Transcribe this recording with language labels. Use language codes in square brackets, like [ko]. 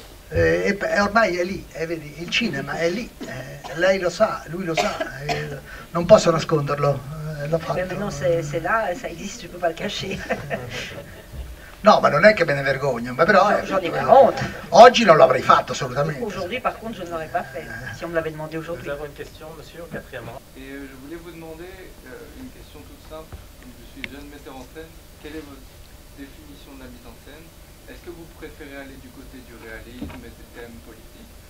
[it] E ormai è lì, vedi, il cinema è lì. Lei lo sa, lui lo sa, non posso nasconderlo. L'ho fatto. [fr] Mais maintenant, c'est là, ça existe, tu ne peux pas le cacher. [it] No, ma non è che me ne vergogno, ma però [fr] honte. [it] Oggi non l'avrei fatto assolutamente. [fr] Aujourd'hui par contre, je ne l'aurais pas fait. Si on me l'avait demandé aujourd'hui. J'avais une question, monsieur, quatrièmement. Et je voulais vous demander une question toute simple. Je suis jeune metteur en scène. Quelle est votre définition de la mise en scène? Est-ce que vous préférez aller du côté du réalisme et des thèmes politiques?